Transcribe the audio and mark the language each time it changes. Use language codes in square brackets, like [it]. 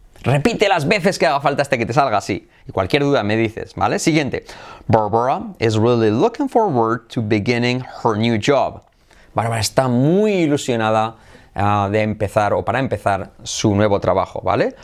[es] Repite las veces que haga falta hasta que te salga así. Y cualquier duda me dices, ¿vale? Siguiente. [en] Barbara is really looking forward to beginning her new job. [es] Barbara está muy ilusionada de empezar o para empezar su nuevo trabajo, ¿vale?